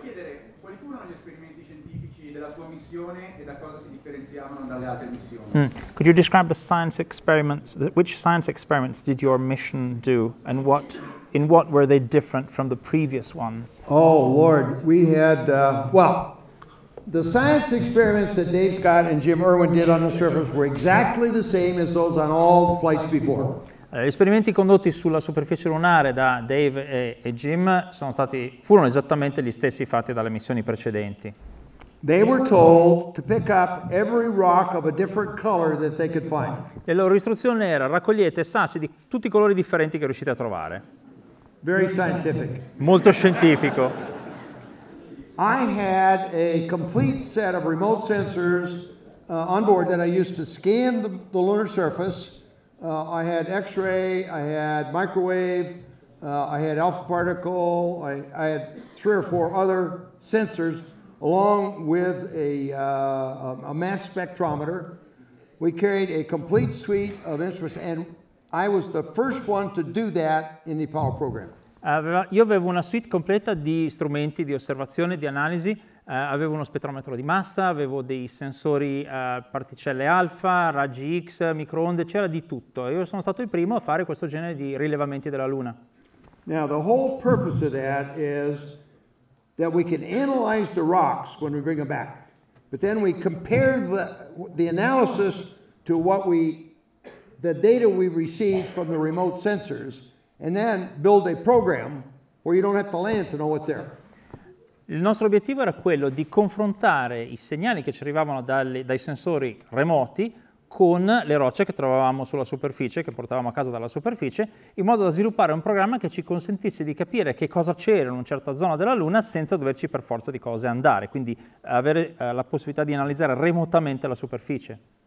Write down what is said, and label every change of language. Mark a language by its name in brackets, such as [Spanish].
[Italian] chiedere quali furono gli esperimenti scientifici della sua missione e da cosa si differenziavano dalle altre missioni. Mm. [English] Could you describe the science experiments? Which science experiments did your mission do, and what? In what were they different from the previous ones? Oh Lord, we had the science experiments that Dave Scott and Jim Irwin did on the surface were exactly the same as those on all the flights before. [Italian] Gli esperimenti condotti sulla superficie lunare da Dave e Jim sono stati furono esattamente gli stessi fatti dalle missioni precedenti. [English] They were told to pick up every rock of a different color that they could find. [Italian] E la loro istruzione era raccogliete sassi di tutti i colori differenti che riuscite a trovare. [English] Very scientific. [Italian] Molto scientifico. [English] I had a complete set of remote sensors on board that I used to scan the lunar surface. I had X-ray, I had microwave, I had alpha particle, I had three or four other sensors along with a mass spectrometer. We carried a complete suite of instruments and I was the first one to do that in the Apollo program. [Italian] Io avevo una suite completa di strumenti di osservazione, di analisi, avevo uno spettrometro di massa, avevo dei sensori particelle alfa, raggi X, microonde, c'era di tutto. Io sono stato il primo a fare questo genere di rilevamenti della Luna. [English] Now the whole purpose of that is that we can analyze the rocks when we bring them back, but then we compare the analysis to what we the data we receive from the remote sensors and then build a program where you don't have to land to know what's there. [Italian] Il nostro obiettivo era quello di confrontare i segnali che ci arrivavano dai sensori remoti con le rocce che trovavamo sulla superficie, che portavamo a casa dalla superficie, in modo da sviluppare un programma che ci consentisse di capire che cosa c'era in una certa zona della Luna senza doverci per forza di cose andare, quindi avere la possibilità di analizzare remotamente la superficie.